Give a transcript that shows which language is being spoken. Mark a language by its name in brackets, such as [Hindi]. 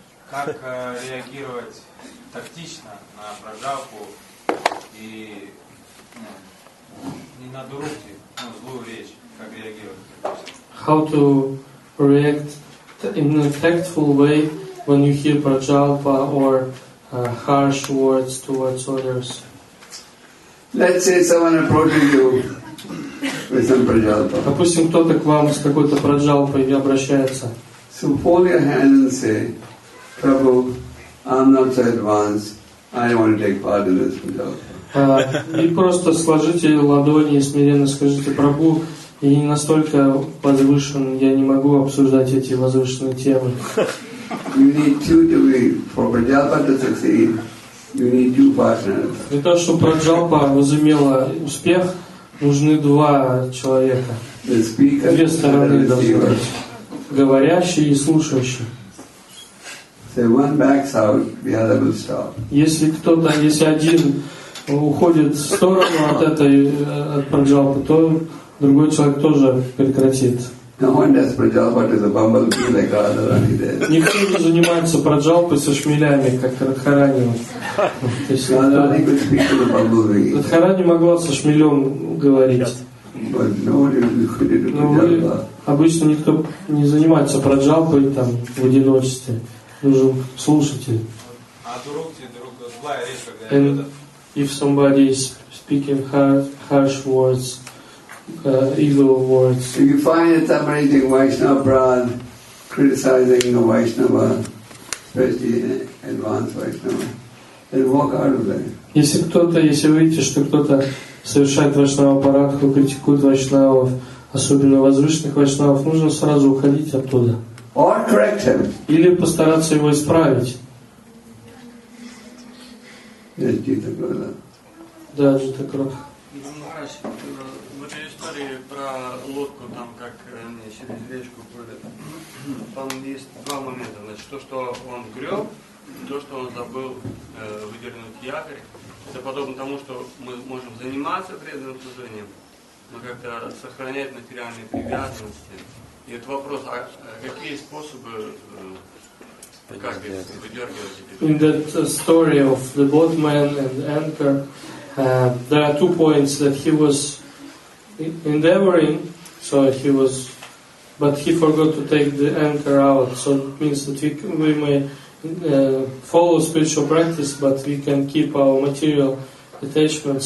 [Russian] Как реагировать тактично на прожапу и не на дурути, на злую речь? Как реагировать? [English] How to react in a tactful way when you hear prajapa or harsh words towards others? Let's say someone approaches you with some prajapa. [Russian] Допустим, кто-то к вам с какой-то прожапой и обращается. [English] So hold your hand and say, Prabhu, I'm not so advanced, I don't want to take part in this prajapa. [Russian] И просто сложите ладони и смиренно скажите, Прабху, я не настолько возвышен, я не могу обсуждать эти возвышенные темы. [English] You need two to be, for prajapa to succeed, you need two partners. [Russian] Для того, чтобы прожапа возымела успех, нужны два человека. [English] The speaker, [Russian] две стороны должны быть. Говорящий и слушающий. [English] So one backs out, the other will stop. [Russian] Если кто-то, если один уходит в сторону от этой от праджалпы, то другой человек тоже прекратит. [English] No one does праджалпа with a bumblebee like Радхарани does. [Russian] Никто не занимается праджалпой со шмелями, как Радхарани. [English] Радхарани could speak to the bumblebee. [Russian] Радхарани могла со шмелем говорить. [English] But no one could do праджалпа. [Russian] Обычно никто не занимается праджапой там в одиночестве. Нужен слушатель. А дурукти, дурукти, злая речь, когда идет. [English] If somebody is speaking harsh words, evil words. If you find that somebody is Vaishnava Brahman, criticizing the Vaishnava, especially advanced Vaishnava, then walk out of there. [Russian] Если кто-то, если вы видите, что кто-то совершает Вайшнава Парадху, критикует Вайшнавов, особенно возвышенных вайшнавов, нужно сразу уходить оттуда. [English] Or correct him. [Russian] Или постараться его исправить. Да, Джита Кроха. Да, Джита Кроха. В этой истории про лодку, там как они через речку плывет, там есть два момента. Значит, то, что он греб, то, что он забыл выдернуть якорь. Это подобно тому, что мы можем заниматься преданным служением, но как-то сохранять материальные привязанности. И это вопрос, а какие способы, как выдергивать? [English] In that story of the boatman and anchor, there are two points that he was endeavoring, so he was, but he forgot to take the anchor out. So it means that we may follow spiritual practice, but we can keep our material attachments.